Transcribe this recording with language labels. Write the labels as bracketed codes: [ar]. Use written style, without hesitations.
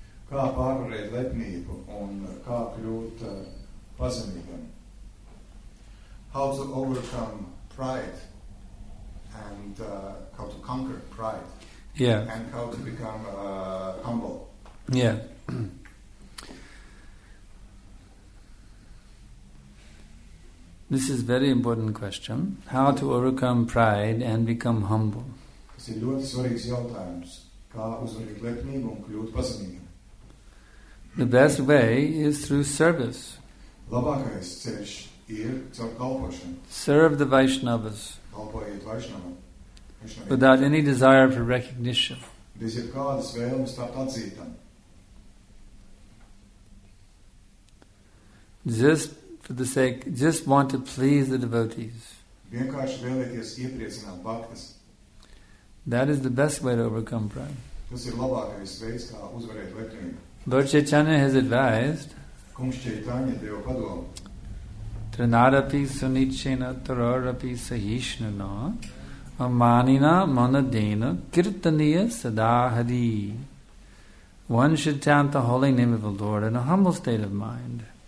[lv] Kā pārvarēt lepnību un kā kļūt pazemīgam? [en] How to overcome pride and how to conquer pride? Yeah. And how to become humble? Yeah. This is a very important question. How to overcome pride and become humble? [lv] Tas ir ļoti svarīgs jautājums. Kā uzvarēt lepnību un kļūt pazemīgam? [en] The best way is through service. [lv] Labākais ceļš ir caur kalpošanu. [en] Serve the Vaishnavas. [lv] Kalpojiet Vaishnavam. [en] Without any desire for recognition. [lv] Bez jebkādas vēlmes tapt atzītam. [en] Just want to please the devotees. [lv] Vienkārši vēlēties iepriecināt bhaktas. [en] That is the best way to overcome pride. [lv] Tas ir labākais veids, kā uzvarēt lepnību. [en] Lord Chaitanya has advised [lv] Kungs Chaitanya deva padomu [en] to [sa] Trinadapi sunichena tararapi sahishnana amanina manadena kirtaniya sadahadi. [en] One should chant the holy name of the Lord in a humble state of mind.